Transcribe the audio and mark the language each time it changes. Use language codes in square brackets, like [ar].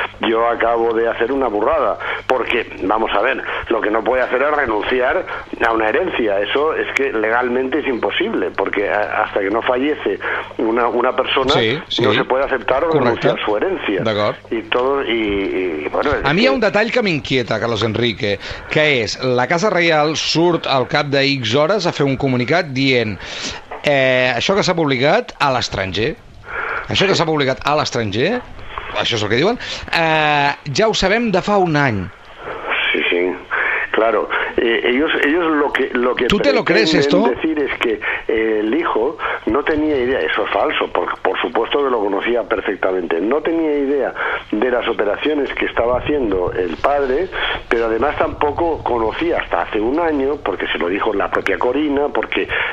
[es] yo acabo de hacer una burrada, porque vamos a ver, lo que no puede hacer es renunciar a una herencia, eso es que legalmente es imposible, porque hasta que no fallece una persona, no se puede aceptar o renunciar a su herencia. [ca] D'acord. [es] Y bueno, [ca] a mi hi ha un detall que m'inquieta, Carlos Enrique, que és, la Casa Reial surt al cap de X hores a fer un comunicat dient això que s'ha publicat a l'estranger. Això que s'ha publicat a l'estranger, això és el que diuen, ja ho sabem de fa un any. [es] Sí, claro. Ellos lo que ¿tú te lo crees esto? Decir es que el hijo no tenía idea, eso es falso, por supuesto que lo conocía perfectamente, no tenía idea de las operaciones que estaba haciendo el padre, pero además tampoco conocía hasta hace un año, porque se lo dijo la propia Corina, porque